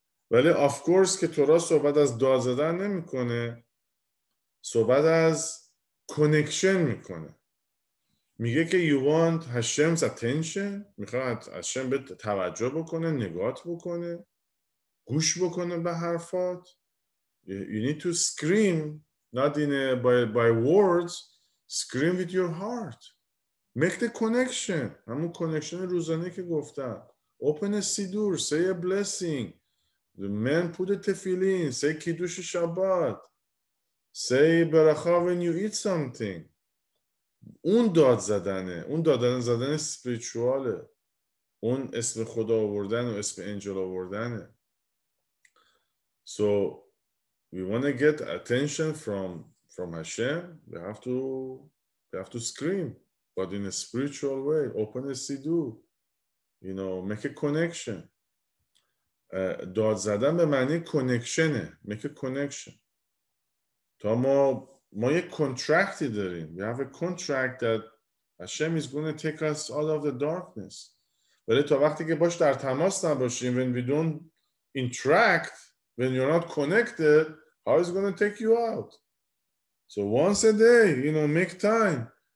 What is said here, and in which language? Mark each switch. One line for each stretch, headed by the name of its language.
Persian: ولی
English: of course
Persian: که تورا صحبت از داد زدن نمی کنه، صحبت از کنکشن میکنه. میگه که
English: you want Hashem's attention،
Persian: میخواد Hashem به توجه بکنه، نگات بکنه، گوش بکنه به حرفات.
English: You need to scream not in a, by words, scream with your heart. Make the connection.
Persian: همون کنکشن روزانه که گفتم.
English: Open a siddur, say a blessing. The man put a tefillin, say kiddush shabbat. Say berakha when you eat something.
Persian: اون داد زدنه. اون دادن زدن spirituale. اون اسم خدا آوردن و اسم انجل آوردنه.
English: So we want to get attention from Hashem. We have to scream, but in a spiritual way. Open a siddur, you know, make a connection.
Persian: داد زدن به معنی کنکشنه.
English: Make a connection.
Persian: تا ما یه کنترکتی داریم.
English: We have a contract that Hashem is going to take us out of the darkness.
Persian: ولی تا وقتی که باش در تماس نباشیم.
English: When we don't interact, when you're not connected, how is going to take you out? So once a day, you know, make time.